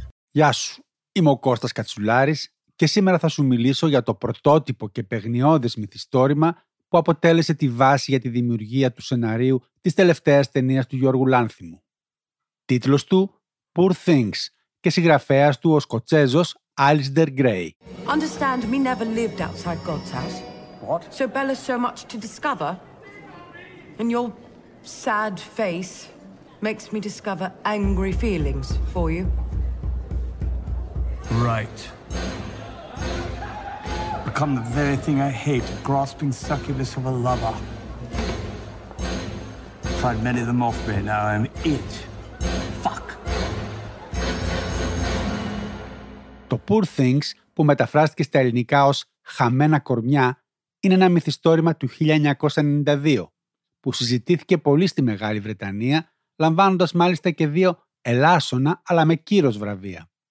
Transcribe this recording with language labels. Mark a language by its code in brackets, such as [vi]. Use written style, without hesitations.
[el] Γεια σου, είμαι ο Κώστας Κατσουλάρης και σήμερα θα σου μιλήσω για το πρωτότυπο και παιγνιώδες μυθιστόρημα που αποτέλεσε τη βάση για τη δημιουργία του σεναρίου της τελευταίας ταινίας του Γιώργου Λάνθιμου. Τίτλος του «Poor Things» και συγγραφέας του ο Σκοτσέζος Alistair Gray. [en] Understand, we never lived outside God's house. What? So Bella's so much to discover, and your sad face makes me discover angry feelings for you. Right. Become the very thing I hate, grasping succubus of a lover. Tried many of them off me, now I'm it. Fuck. [el] Το Poor Things, που μεταφράστηκε στα ελληνικά ως «Χαμένα κορμιά», είναι ένα μυθιστόρημα του 1992, που συζητήθηκε πολύ στη Μεγάλη Βρετανία, λαμβάνοντας μάλιστα και δύο ελάσσονα αλλά με κύρος βραβεία.